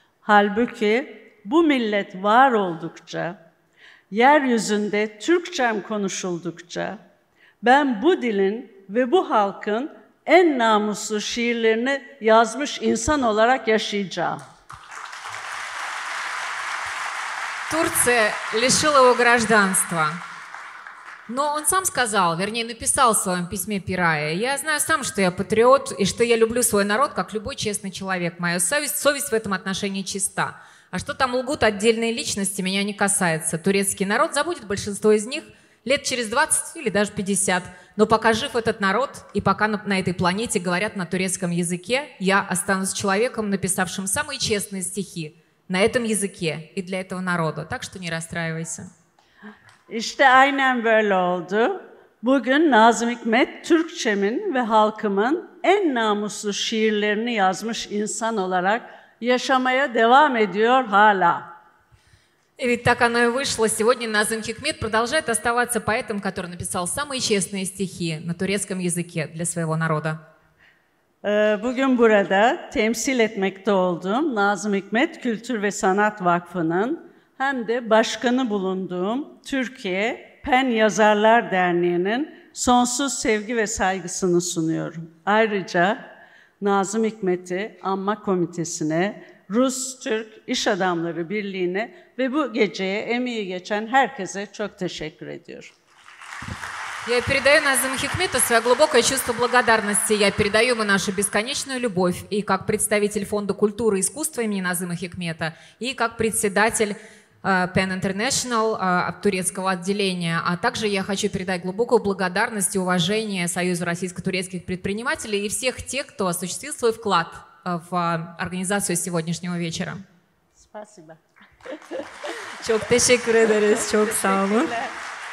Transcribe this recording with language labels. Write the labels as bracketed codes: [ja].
[tr] Halbuki bu millet var oldukça, yeryüzünde Türkçem konuşuldukça, ben bu dilin ve bu halkın en namuslu şiirlerini yazmış insan olarak yaşayacağım. [ru] Турция лишила его гражданства. Но он сам сказал, вернее, написал в своем письме Пирае: «Я знаю сам, что я патриот и что я люблю свой народ, как любой честный человек. Моя совесть в этом отношении чиста. А что там лгут отдельные личности, меня не касается. Турецкий народ забудет большинство из них лет через 20 или даже 50. Но пока жив этот народ и пока на этой планете говорят на турецком языке, я останусь человеком, написавшим самые честные стихи на этом языке и для этого народа. Так что не расстраивайся». [tr] İşte aynen böyle oldu. Bugün Nazım Hikmet Türkçemin ve halkımın en namuslu şiirlerini yazmış insan olarak yaşamaya devam ediyor hala. Evet, [ru] так оно и вышло. Сегодня Назым Хикмет продолжает оставаться поэтом, который написал самые честные стихи на турецком языке для своего народа. [tr] Bugün burada temsil etmekte olduğum Nazım Hikmet Kültür ve Sanat Vakfı'nın hem de başkanı bulunduğum Türkiye PEN Yazarlar Derneği'nin sonsuz sevgi ve saygısını sunuyorum. Ayrıca Nazım Hikmet'i Anma Komitesi'ne, Rus-Türk İş Adamları Birliği'ne ve bu geceye emeği geçen herkese çok teşekkür ediyorum. [ru] Я передаю Назыму Хикмету свое глубокое чувство благодарности. Я передаю ему нашу бесконечную любовь. И как представитель Фонда культуры и искусства имени Назыма Хикмета, и как председатель PEN International турецкого отделения. А также я хочу передать глубокую благодарность и уважение Союзу российско-турецких предпринимателей и всех тех, кто осуществил свой вклад в организацию сегодняшнего вечера. Спасибо. [tr] Çok teşekkür ederiz. Çok sağ olun.